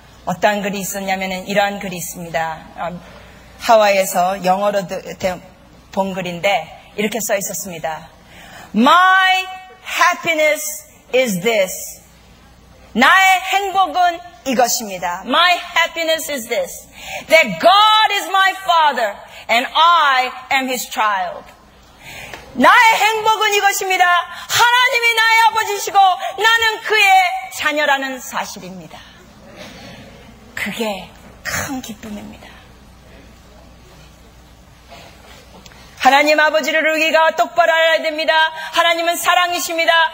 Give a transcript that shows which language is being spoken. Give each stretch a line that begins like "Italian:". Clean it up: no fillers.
Korean: 어떤 글이 있었냐면 이러한 글이 있습니다. 하와이에서 영어로 본 글인데 이렇게 써 있었습니다.
English: My happiness is this.
Korean: 나의 행복은 이것입니다.
English: My happiness is this. That God is my father and I am his child.
Korean: 나의 행복은 이것입니다. 하나님이 나의 아버지시고 나는 그의 자녀라는 사실입니다. 그게 큰 기쁨입니다. 하나님 아버지를 우리가 똑바로 알아야 됩니다. 하나님은 사랑이십니다.